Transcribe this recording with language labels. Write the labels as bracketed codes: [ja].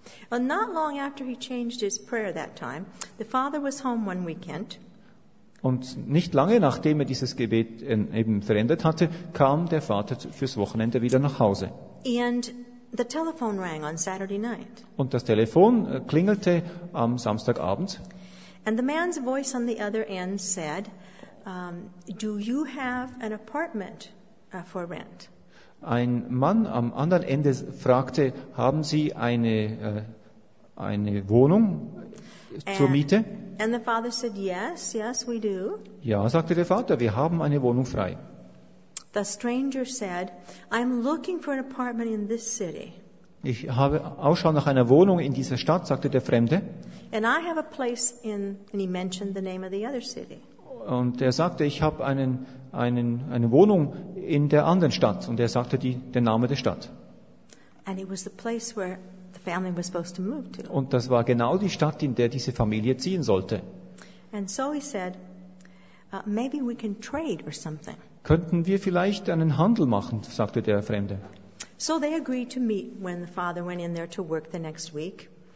[en] Well, not long after he changed his prayer that time, the father was home one weekend. [de] Und nicht lange nachdem er dieses Gebet eben verändert hatte, kam der Vater fürs Wochenende wieder nach Hause. [en] And the telephone rang on Saturday night. [de] Und das Telefon klingelte am Samstagabend. [en] And the man's voice on the other end said, do you have an apartment for rent? [de] Ein Mann am anderen Ende fragte, haben Sie eine Wohnung zur Miete? [en] And the father said, yes, yes, we do. [de] Ja, sagte der Vater, wir haben eine Wohnung frei. [en] The stranger said, I'm looking for an apartment in this city. [de] Ich habe Ausschau nach einer Wohnung in dieser Stadt, sagte der Fremde. [en] And I have a place in, and he mentioned the name of the other city. [de] Und er sagte, ich habe eine Wohnung in der anderen Stadt. Und er sagte den Namen der Stadt. [en] And it was the place where the family was supposed to move to. [de] Und das war genau die Stadt, in der diese Familie ziehen sollte. [en] And so he said, maybe we can trade or something. [de] Könnten wir vielleicht einen Handel machen, sagte der Fremde. [en] So they agreed to meet when the father went in there to work the next week.